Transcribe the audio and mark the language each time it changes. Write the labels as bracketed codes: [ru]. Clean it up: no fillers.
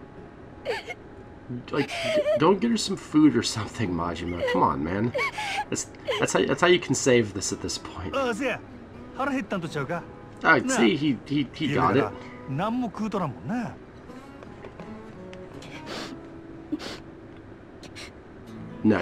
[ja] その女や、帰って余計なこと言うたな。 [en] Like, don't get her some food or something, Majima. Come on, man. That's how you can save this at this point. [ja] せや、腹減ったんとちゃうか? [en] See, he got it. [ja] 何も食うとらんもんな。 [en] No,